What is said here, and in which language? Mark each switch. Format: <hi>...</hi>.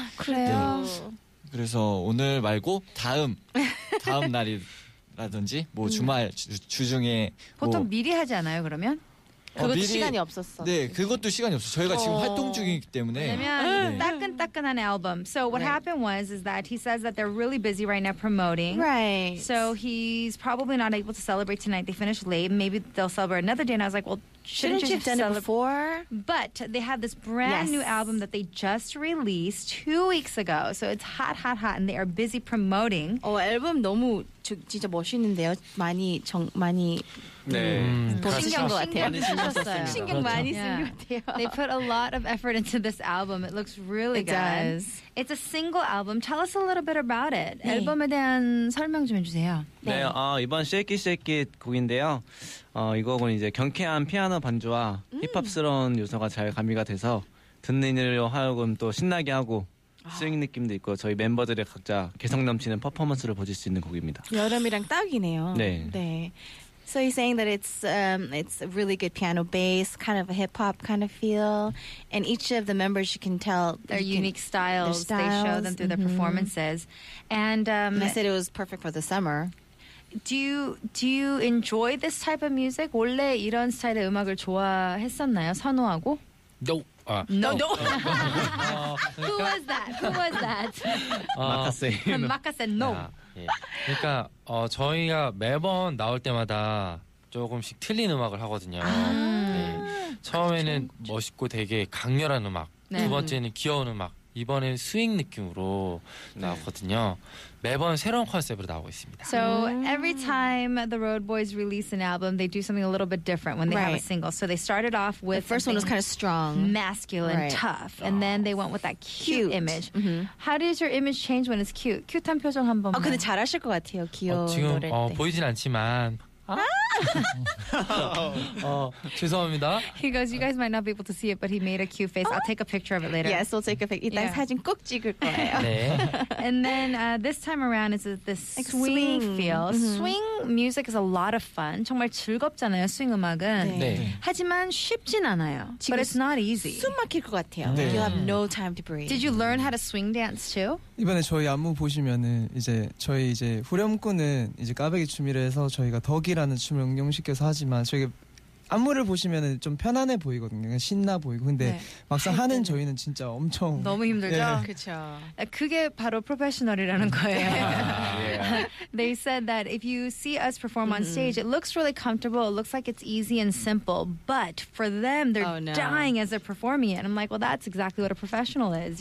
<ko>그래요. 네. 그래서 오늘 말고 다음 날이라든지 뭐 주말 주중에 보통 미리 하지 않아요 그러면? 그것도 미리, 시간이 없었어. 네, 그것도 시간이 없어. 저희가 지금 활동 중이기 때문에. 왜냐면 따끈따끈한 앨범.</ko> <en>So what happened was is that he says that they're really busy right now promoting. Right. So he's probably not able to celebrate tonight. They finished late. Maybe they'll celebrate another day. And I was like, well, shouldn't you have done it before? But they have this brand new album that they just released 2 weeks ago. So it's hot, hot, hot, and they are busy promoting.</en> <ko>앨범 너무 진짜 멋있는데요. 많이. 네. 더 신경 것 같아요. 많이 신경 신경 많이 쓴 것 같아요.</ko> <en>They put a lot of effort into this album. It looks really good. It does. It's a single album. Tell us a little bit about it.</en> <ko>네. 앨범에 대한 설명 좀 해주세요. 네. 네. 이번 Shake It Shake It 곡인데요. 이 곡은 이제 경쾌한 피아노 반주와 힙합스러운 요소가 잘 가미가 돼서 듣는 이를 하여금 또 신나게 하고 스윙 느낌도 있고 저희 멤버들의 각자 개성 넘치는 퍼포먼스를 보실 수 있는 곡입니다. 여름이랑 딱이네요. 네. 네.</ko> <en>So he's saying that it's a really good piano bass, kind of a hip-hop kind of feel. And each of the members, you can tell their unique styles. Their styles. They show them through mm-hmm. their performances. And I said it was perfect for the summer. Do you enjoy this type of music?</en> <ko>원래 이런 스타일의 음악을 좋아했었나요? 선호하고?</ko> <en>No. No. Who was that?</en> <ko>마카세.</ko> <en>마카세, no.</en> <ko>그러니까 저희가 매번 나올 때마다 조금씩 틀린 음악을 하거든요. 네. 처음에는 멋있고 되게 강렬한 음악, 두 번째는 귀여운 음악, 이번에 스윙 느낌으로 나왔거든요. 매번 새로운 컨셉으로 나오고 있습니다.</ko> <en>So every time the Road Boys release an album, they do something a little bit different when they have a single. So they started off with the first one was kind of strong, masculine, tough, and then they went with that cute image. Mm-hmm. How does your image change when it's cute?</en> <ko>큐트한 표정 한 번만. 근데 잘하실 것 같아요. 귀여운 노래. 지금 보이진 않지만. 죄송합니다.</ko> <en>He goes, you guys might not be able to see it, but he made a cute face. I'll take a picture of it later. Yes, we'll take a picture.</en> <ko>이따 사진 꼭 찍을 거예요. 네.</ko> <en>And then this time around is this like swing feel. Mm-hmm. Swing music is a lot of fun.</en> <ko>정말 즐겁잖아요, swing 음악은. 네. 하지만 쉽진 않아요.</ko> <en>But it's not easy.</en> <ko>숨 막힐 것 같아요. 네.</ko> <en>You have no time to breathe. Did you learn how to swing dance too?</en> <ko>이번에 저희 안무 보시면은 이제 저희 이제 후렴구는 이제 까베기 춤이라 해서 저희가 덕이라는 춤을 응용시켜서 하지만 저희 안무를 보시면은 좀 편안해 보이거든요. 신나 보이고. 근데 네. 막상 하는 저희는 진짜 엄청 너무 힘들죠. 네. 그렇죠. 그게 바로 프로페셔널이라는 거예요.</ko> <en>They said that if you see us perform on stage, it looks really comfortable. It looks like it's easy and simple. But for them, they're dying as they're performing it. And I'm like, well, that's exactly what a professional is.</en>